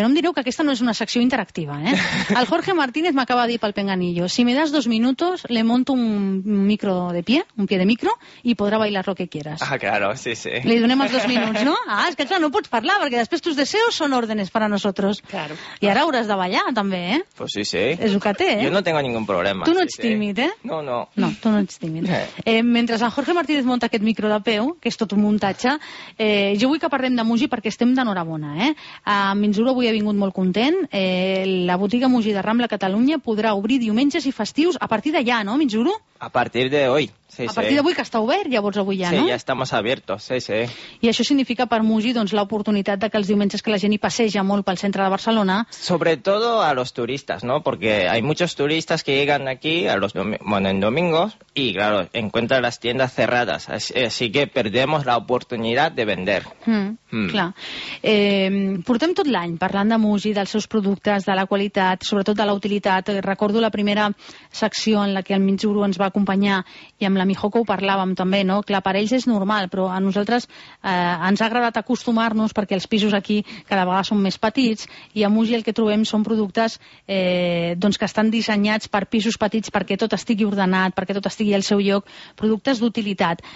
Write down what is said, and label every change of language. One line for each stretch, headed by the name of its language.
Catalan: No em direu que aquesta no és una secció interactiva, eh? El Jorge Martínez m'acaba de dir pel pinganillo.
Spanish: Si me das 2 minutos, le monto un micro de pie, un pie de micro, y podrá bailar lo que quieras. Ah, claro, sí, sí.
Catalan: Li donem els 2 minuts, no? Ah, és que clar, no pots parlar, perquè després
Spanish: tus deseos son órdenes para nosotros. Claro.
Catalan: I ara hauràs de ballar, també, eh?
Spanish: Pues sí, sí.
Catalan: És el que té, eh?
Spanish: Yo no tengo ningún problema.
Catalan: Tu no ets tímid, eh? No. No, tu no ets tímid. Mentre en Jorge Martínez munta aquest micro de peu, que és tot un muntatge, jo vull que parlem de Muji perquè estem d'enhorabona, eh? Mitzuru avui ha vingut molt content. La botiga Muji de Rambla Catalunya podrà obrir diumenges i festius a partir d'allà, no, Mitzuru? A partir d'avui, A partir d'avui que està obert, llavors, avui ja, sí, no? Sí, ja estem abiertos, sí, sí. I això significa per Muji, doncs, l'oportunitat que els diumenges que la gent hi passeja molt pel centre de Barcelona...
Spanish: Sobretot a los turistas, ¿no? Porque hay muchos turistas que llegan aquí a los en domingos y, claro, encuentran las tiendas cerradas. Así que perdemos la oportunidad de vender.
Catalan: Clar. Portem tot l'any parlant de Muji, dels seus productes, de la qualitat, sobretot de la utilitat. Recordo la primera secció en la que el Mitzuru ens va acompanyar i amb la Mihoko ho parlàvem també, no? Clar, per ells és normal, però a nosaltres ens ha agradat acostumar-nos perquè els pisos aquí cada vegada són més petits i a Muji el que trobem són productes doncs que estan dissenyats per pisos petits perquè tot estigui ordenat, perquè tot estigui al seu lloc, productes d'utilitat.